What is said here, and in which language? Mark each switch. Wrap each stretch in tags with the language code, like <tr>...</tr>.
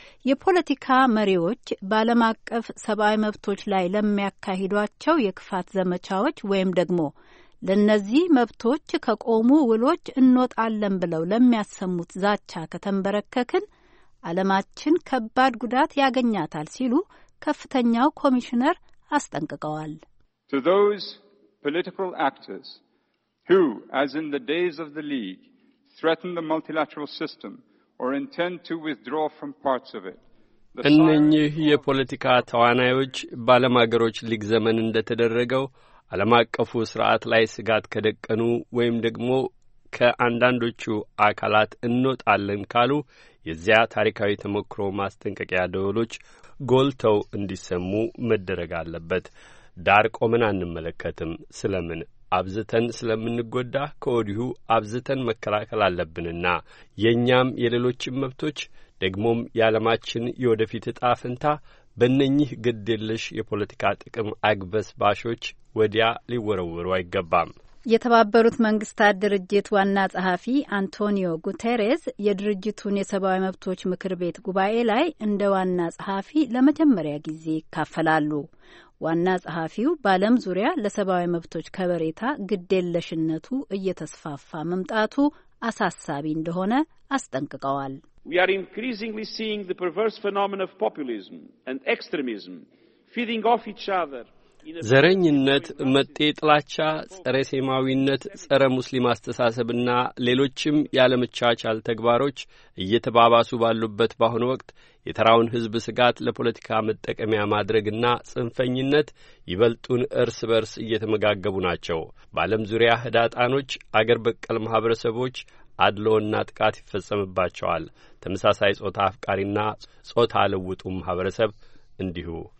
<am>የፖለቲካ መሪዎች በዓለም አቀፍ ሰብአዊ መብቶች ላይ ለሚያካሂዷቸው የክፋት ዘመቻዎች ወይም ደግሞ ለእነዚህ መብቶች ከቆሙ ውሎች እንወጣለን ብለው ለሚያሰሙት ዛቻ ከተንበረከክን ዓለማችን ከባድ ጉዳት ያገኛታል ሲሉ ከፍተኛው ኮሚሽነር አስጠንቅቀዋል።</am> <en>To those political actors who, as in the days of the League, threaten the multilateral system or intend to withdraw from parts of it.</en> <am>እነኚህ የፖለቲካ ተዋናዮች ባለም አገሮች ሊግ ዘመን እንደተደረገው ዓለም አቀፉ ስርዓት ላይ ስጋት ከደቀኑ ወይም ደግሞ ከአንዳንዶቹ አካላት እንወጣለን ካሉ የዚያ ታሪካዊ ተመክሮ ማስጠንቀቂያ ደወሎች ጎልተው እንዲሰሙ መደረግ አለበት። ዳር ቆመን አንመለከትም። ስለምን አብዝተን ስለምንጎዳ ከወዲሁ አብዝተን መከላከል አለብንና የኛም የሌሎችም መብቶች ደግሞም ያለማችን የወደፊት ዕጣ ፈንታ በእነኚህ ግድ የለሽ የፖለቲካ ጥቅም አግበስባሾች ወዲያ ሊወረወሩ አይገባም። የተባበሩት መንግስታት ድርጅት ዋና ጸሐፊ አንቶኒዮ ጉቴሬዝ የድርጅቱን የሰብአዊ መብቶች ምክር ቤት ጉባኤ ላይ እንደ ዋና ጸሐፊ ለመጀመሪያ ጊዜ ይካፈላሉ። ዋና ጸሐፊው በዓለም ዙሪያ ለሰብአዊ መብቶች ከበሬታ ግድ የለሽነቱ እየተስፋፋ መምጣቱ አሳሳቢ እንደሆነ አስጠንቅቀዋል።</am> <en>We are increasingly seeing the perverse phenomenon of populism and extremism feeding off each other.</en> <am>ዘረኝነት፣ መጤ ጥላቻ፣ ጸረ ሴማዊነት፣ ጸረ ሙስሊም አስተሳሰብና ሌሎችም ያለመቻቻል ተግባሮች እየተባባሱ ባሉበት በአሁኑ ወቅት የተራውን ህዝብ ስጋት ለፖለቲካ መጠቀሚያ ማድረግና ጽንፈኝነት ይበልጡን እርስ በርስ እየተመጋገቡ ናቸው። በዓለም ዙሪያ ህዳጣኖች፣ አገር በቀል ማህበረሰቦች አድሎና ጥቃት ይፈጸምባቸዋል። ተመሳሳይ ጾታ አፍቃሪና ጾታ ለውጡ ማህበረሰብ እንዲሁ።</am>